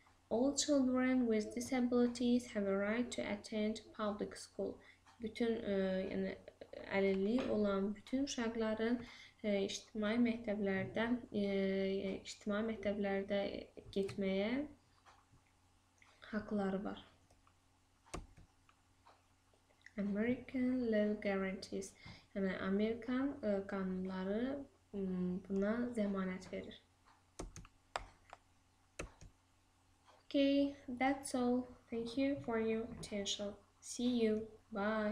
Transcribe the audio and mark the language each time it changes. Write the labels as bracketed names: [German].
[English] All children with disabilities have a right to attend public school. [Azerbaijani] Bütün yəni əlilliyi olan bütün uşaqların ictimai məktəblərdə getməyə haqqları var. [English] American law guarantees. [Azerbaijani] Yəni Amerikan qanunları buna zəmanət verir. OK. [English] Okay, that's all. Thank you for your attention. See you. Bye.